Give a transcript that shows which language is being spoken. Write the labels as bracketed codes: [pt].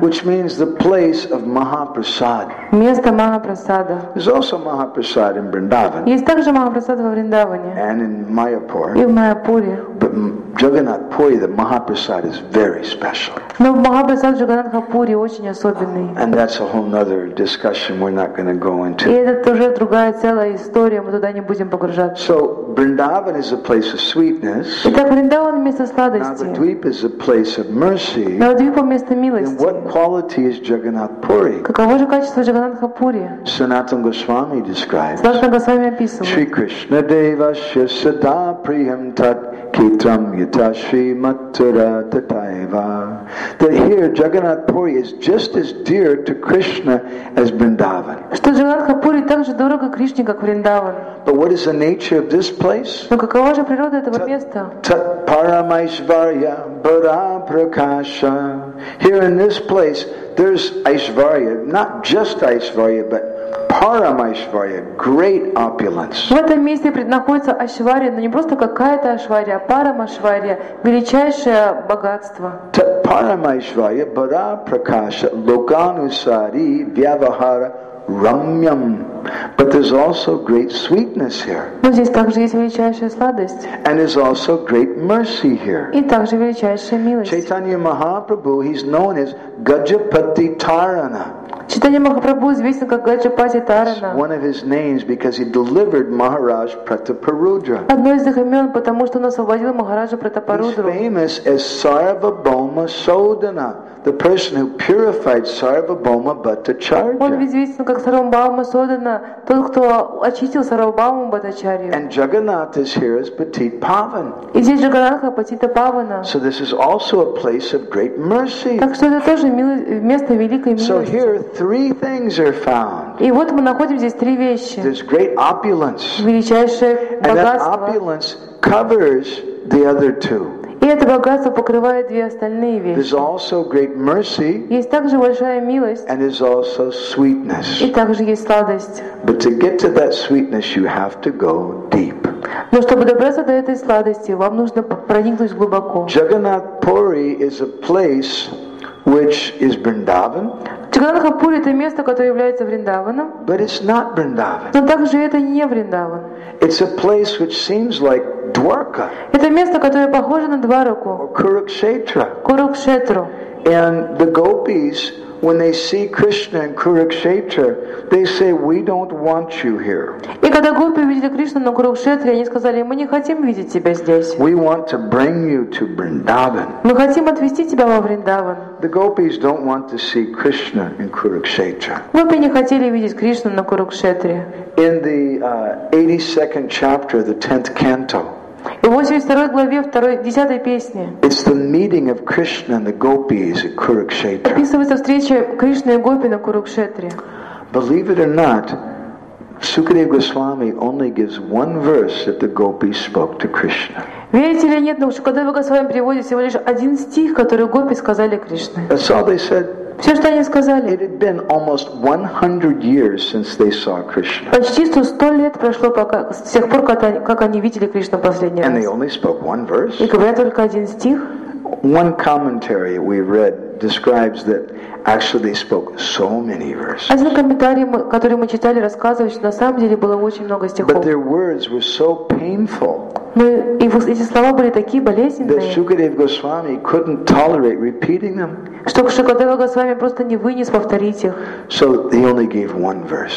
[en] Which means the place of Mahaprasad. [ru] Место Махапрасада. [en] There's also Mahaprasad in Vrindavan. [ru] Есть также Махапрасад во Вриндаване. [en] And in Mayapur. [ru] И в Майяпуре. [en] But Jagannath Puri, the Mahaprasad is very special. [ru] Но Махапрасад Джаганатхапури очень особенный. [en] And that's a whole other discussion we're not going to go into. [ru] И это тоже другая целая история, мы туда не будем погружаться. [en] So Vrindavan is a place of sweetness. [ru] Vrindavan место сладости. [en] Navadvip is a place of mercy. [ru] Navadvipa место милости. [en] And what quality is Jagannath Puri? [ru] Каково же качество Джаганатхапури? [en] Sanatana Goswami describes. [ru] Sanatana Goswami описывает. [sa] Shri Krishna Deva Shishada Priyam Tat Kitram Yatashri Matura Tataiva. [en] That here Jagannath Puri is just as dear to Krishna as Vrindavan. [ru] Что Джаганатхапури так же дорого Кришне, как Вриндаван. [en] But what is the nature of this place? [ru] Но какова же природа этого места? [sa] Tat Paramaishvarya Bhara Prakasha. [en] here in this place, there's Aishvarya, not just Aishvarya, but Param Aishvarya, great opulence. [ru] В этом месте преднаходится Ашварья, но не просто какая-то Ашварья, а Param Aishvarya, величайшее богатство. [sa] Param Aishvarya, Bara Prakasha, Loganusari, Vyavahara, Ramyam. [en] But there's also great sweetness here. [ru] Но здесь также есть величайшая сладость. [en] And there's also great mercy here. [ru] И также величайшая милость. [en] Chaitanya Mahaprabhu, he's known as Gajapati Tarana. [ru] Chaitanya Mahaprabhu известен как Гаджапати Тарана. [en] One of his names because he delivered Maharaj Prataparudra. [ru] Одно из их имен, потому что он освободил Махараджа Пратапарудру. [en] He's famous as Sarvabhauma Sodhana, the person who purified Sarvabhauma Bhattacharya. [ru] Он известен как Сарвабхаума Содхана, тот, кто очистил Сарвабхаума Бхаттачарью. [en] And Jagannath is here as Patit Pavan. [ru] И здесь Джаганнатха Патита Павана. [en] So this is also a place of great mercy. [ru] Так что это тоже место великой милости. [en] So here three things are found. [ru] И вот мы находим здесь три вещи. [en] There's great opulence. [ru] Величайшее богатство. [en] And that opulence covers the other two. [ru] И это богатство покрывает две остальные вещи. [en] There's also great mercy. [ru] Есть также большая милость. [en] And there's also sweetness. [ru] И также есть сладость. [en] But to get to that sweetness, you have to go deep. [ru] Но чтобы добраться до этой сладости, вам нужно проникнуть глубоко. [en] Jagannath Puri is a place which is Vrindavan. [ru] Джагнатха Пури — это место, которое является Вриндаваном. [en] But it's not Vrindavan. [ru] Но также это не Вриндаван. [en] It's a place which seems like Dwarka. [ru] Это место, которое похоже на Двараку. [en] Or Kurukshetra. [ru] Kurukshetra. [en] And the gopis, when they see Krishna in Kurukshetra, they say, "We don't want you here." [ru] И когда гопи увидели Кришну на Курукшетре, они сказали: "Мы не хотим видеть тебя здесь." [en] We want to bring you to Vrindavan. [ru] Мы хотим отвезти тебя во Вриндаван. [en] The gopis don't want to see Krishna in Kurukshetra. [ru] Гопи не хотели видеть Кришну на Курукшетре. [en] In the 82nd chapter of the 10th canto. [ru] И в 82 главе 10 песни. [en] It's the meeting of Krishna and the gopis at Kurukshetra. [ru] Описывается встреча Кришны и гопи на Курукшетре. [en] Believe it or not, Sukadev Goswami only gives one verse that the gopis spoke to Krishna. [ru] Верите или нет, но Сукадев Госвами приводит всего лишь один стих, который гопи сказали Кришне. [en] That's all they said. [ru] Все, что они сказали. [en] It had been almost 100 years since they saw Krishna. [ru] Почти 100 лет прошло с тех пор, как они видели Кришну последний раз. [en] And they only spoke one verse. [ru] И говорят только один стих. [en] One commentary we read describes that actually they spoke so many verses. [ru] Один комментарий, который мы читали, рассказывает, что на самом деле было очень много стихов. [en] But their words were so painful. [ru] Но эти слова были такие болезненные. [en] That Sukadev Goswami couldn't tolerate repeating them. [ru] Что Шукадева Госвами просто не вынес повторить их. [en] So he only gave one verse.